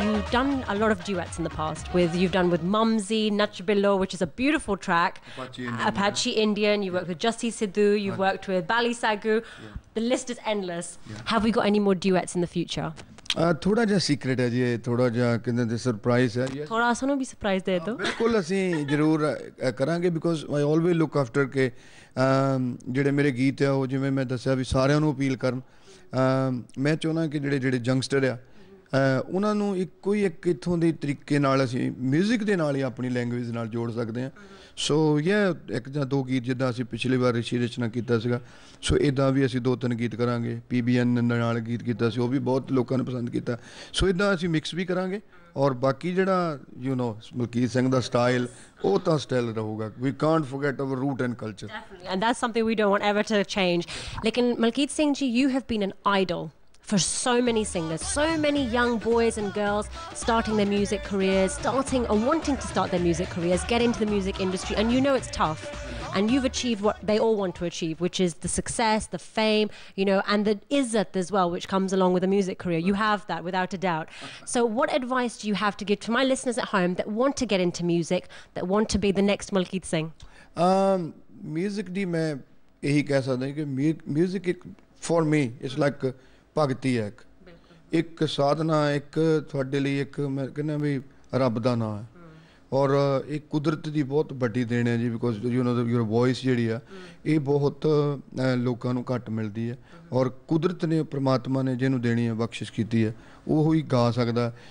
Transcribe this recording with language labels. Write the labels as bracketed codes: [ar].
[en] done a lot of duets in the past with, you've done with Mumsy, Nacho Bello, which is a beautiful track. Apache Indian. You worked with Jussie Siddhoo. You've worked with Bali Sagu. Yeah. The list is endless. Yeah. Have we got any more duets in the future? [pa] ਥੋੜਾ ਜਿਹਾ secret ਹੈ ਜੀ, ਥੋੜਾ ਜਿਹਾ ਕਹਿੰਦੇ ਤੇ surprise ਹੈ। ਥੋੜਾ ਸਾਨੂੰ ਵੀ ਸਰਪ੍ਰਾਈਜ਼ ਦੇ ਦਿਓ। ਬਿਲਕੁਲ, ਅਸੀਂ ਜ਼ਰੂਰ ਕਰਾਂਗੇ, [en] because I always look after [pa] ਕਿ ਜਿਹੜੇ ਮੇਰੇ ਗੀਤ ਆ ਉਹ, ਜਿਵੇਂ ਮੈਂ ਦੱਸਿਆ ਵੀ ਸਾਰਿਆਂ ਨੂੰ ਅਪੀਲ ਕਰਨ। ਮੈਂ ਚਾਹੁੰਦਾ ਕਿ ਜਿਹੜੇ ਯੰਗਸਟਰ ਆ ਉਹਨਾਂ ਨੂੰ ਇੱਕੋ ਹੀ ਇੱਕ ਇੱਥੋਂ ਦੇ ਤਰੀਕੇ ਨਾਲ ਅਸੀਂ ਮਿਊਜ਼ਿਕ ਦੇ ਨਾਲ ਹੀ ਆਪਣੀ ਲੈਂਗੁਏਜ ਨਾਲ ਜੋੜ ਸਕਦੇ ਹਾਂ। ਸੋ ਯਾ, ਇੱਕ ਜਾਂ ਦੋ ਗੀਤ ਜਿੱਦਾਂ ਅਸੀਂ ਪਿਛਲੀ ਵਾਰ ਰਿਸ਼ੀ ਰਚਨਾ ਕੀਤਾ ਸੀਗਾ, ਸੋ ਇੱਦਾਂ ਵੀ ਅਸੀਂ ਦੋ ਤਿੰਨ ਗੀਤ ਕਰਾਂਗੇ। PBN ਨਾਲ ਗੀਤ ਕੀਤਾ ਸੀ, ਉਹ ਵੀ ਬਹੁਤ ਲੋਕਾਂ ਨੇ ਪਸੰਦ ਕੀਤਾ। ਸੋ ਇੱਦਾਂ ਅਸੀਂ ਮਿਕਸ ਵੀ ਕਰਾਂਗੇ, ਔਰ ਬਾਕੀ ਜਿਹੜਾ you know Malkit Singh ਦਾ style, ਉਹ ਤਾਂ ਸਟਾਈਲ ਰਹੂਗਾ। [en] We can't forget our root and culture, and that's something we don't want ever to change. ਲੇਕਿਨ Malkit Singh ji, you have been an idol for so many singers, so many young boys and girls starting their music careers, starting or wanting to start their music careers, get into the music industry, and you know it's tough. And you've achieved what they all want to achieve, which is the success, the fame, you know, and the izzat as well, which comes along with a music career. You have that, without a doubt. So what advice do you have to give to my listeners at home that want to get into music, that want to be the next Malkeet Singh? [pa] Music, di main yahi keh sakda hai ki [en] music for me, it's like [pa] ਭਗਤੀ ਹੈ, ਇੱਕ ਸਾਧਨਾ, ਇੱਕ ਤੁਹਾਡੇ ਲਈ ਇੱਕ ਮੈਂ ਕਹਿੰਦਾ ਵੀ ਰੱਬ ਦਾ ਨਾਂ ਹੈ, ਔਰ ਇਹ ਕੁਦਰਤ ਦੀ ਬਹੁਤ ਵੱਡੀ ਦੇਣ ਹੈ ਜੀ, [en] because you know your voice [pa] ਜਿਹੜੀ ਆ ਇਹ ਬਹੁਤ ਲੋਕਾਂ ਨੂੰ ਘੱਟ ਮਿਲਦੀ ਹੈ, ਔਰ ਕੁਦਰਤ ਨੇ, ਪਰਮਾਤਮਾ ਨੇ ਜਿਹਨੂੰ ਦੇਣੀ ਹੈ ਬਖਸ਼ਿਸ਼ ਕੀਤੀ ਹੈ, ਉਹ ਹੀ ਗਾ ਸਕਦਾ।